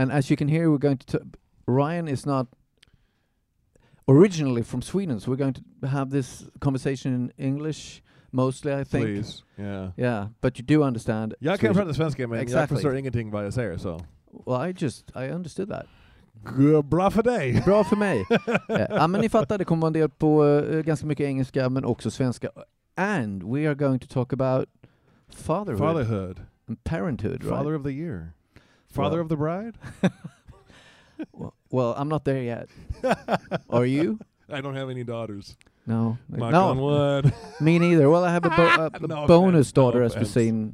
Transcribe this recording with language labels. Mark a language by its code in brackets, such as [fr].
[en] And as you can hear, we're going to... Ryan is not originally from Sweden, so we're going to have this conversation in English mostly, I think. Please, yeah. Yeah, but you do understand. [sv] Jag kan prata svenska, men jag förstår ingenting vad jag säger, så. [en] Well, I understood that. [sv] Bra för dig. Bra för mig. Ja, men ni fattar, det kommer vara en del på ganska mycket engelska, men också svenska. [en] And we are going to talk about fatherhood. Fatherhood. And parenthood, Father, right? Father of the year. Father of the bride? Well, I'm not there yet. Are you? I don't have any daughters. No. Knock on wood. Me neither. Well, I have bonus daughter, no, as we've seen.